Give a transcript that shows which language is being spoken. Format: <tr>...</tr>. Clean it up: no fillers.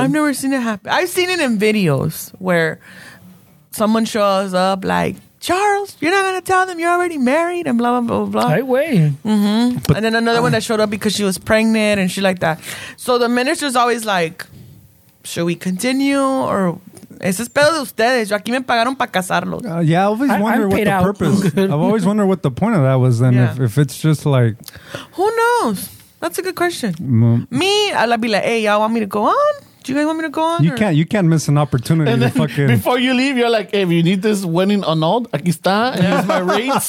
<en>I've seen it in videos where someone shows up like, Charles, you're not going to tell them you're already married and blah, blah, blah, blah. Right way. Mm-hmm. But, and then another one that showed up because she was pregnant and she like that. So the minister's always like, should we continue or...</en> <es>Ese es pedo de ustedes. Yo aquí me pagaron para casarlos.</es> <en>I've always wondered what the point of that was then. If it's just like, who knows? That's a good question. Me, I'd be like, hey, y'all want me to go on? Do you guys want me to go on? You can't miss an opportunity. And then fucking... before you leave, you're like, hey, if you need this wedding annulled,</en> <es>aquí está.</es> <en>And here's my rates.</en>